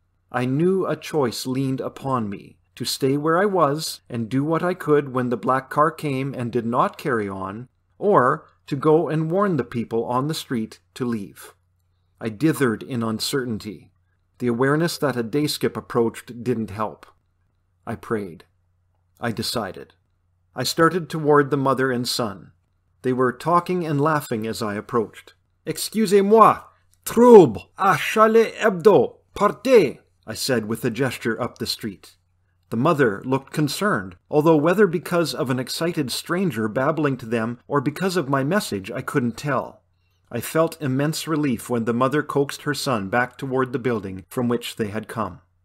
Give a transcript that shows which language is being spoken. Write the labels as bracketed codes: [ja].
[en] I knew a choice leaned upon me, to stay where I was and do what I could when the black car came and did not carry on, or to go and warn the people on the street to leave. I dithered in uncertainty. The awareness that a day skip approached didn't help. I prayed. I decided. I started toward the mother and son. They were talking and laughing as I approached. [fr] Excusez-moi, trouble à Charlie Hebdo, partez! [en] I said with a gesture up the street. The mother looked concerned, although whether because of an excited stranger babbling to them or because of my message, I couldn't tell. I felt immense relief when the mother coaxed her son back toward the building from which they had come.